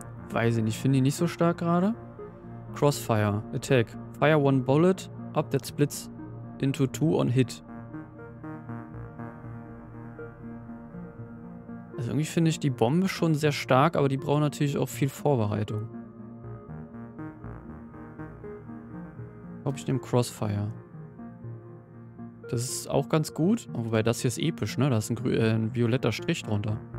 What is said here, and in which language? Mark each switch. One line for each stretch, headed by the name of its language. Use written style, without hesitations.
German: Weiß ich nicht. Finde ich nicht so stark gerade.
English: Crossfire. Attack. Fire one bullet up that splits into two on hit.
German: Also irgendwie finde ich die Bombe schon sehr stark, aber die braucht natürlich auch viel Vorbereitung. Ich glaube, ich nehme Crossfire. Das ist auch ganz gut. Wobei das hier ist episch, ne? Da ist ein violetter Strich drunter.